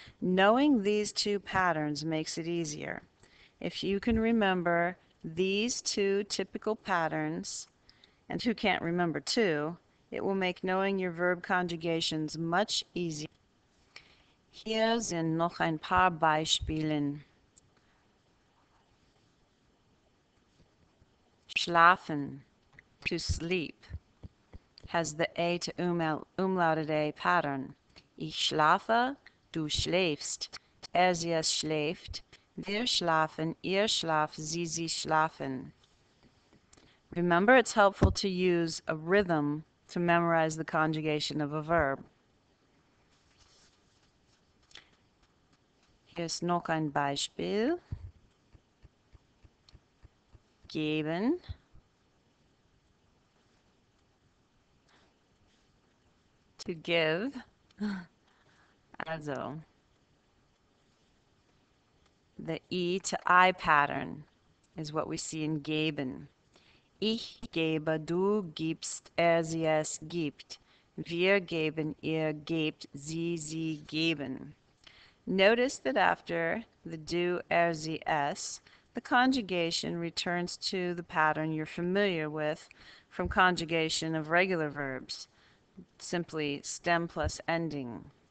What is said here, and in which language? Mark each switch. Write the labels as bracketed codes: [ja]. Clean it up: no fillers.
[en] Knowing these two patterns makes it easier. If you can remember these two typical patterns, and who can't remember two, it will make knowing your verb conjugations much easier. [de] Hier sind noch ein paar Beispiele. [en] Schlafen, to sleep, has the A to umlauted A pattern. [de] Ich schlafe, du schläfst, er, sie, es schläft. Wir schlafen, ihr schlaft, sie, sie schlafen. [en] Remember, it's helpful to use a rhythm to memorize the conjugation of a verb. [de] Hier ist noch ein Beispiel. Geben. [en] To give. Also, the E to I pattern is what we see in geben. [de] Ich gebe, du gibst, er, sie, es gibt. Wir geben, ihr gebt, sie, sie geben. [en] Notice that after the do, er, sie, es, the conjugation returns to the pattern you're familiar with from conjugation of regular verbs, simply stem plus ending.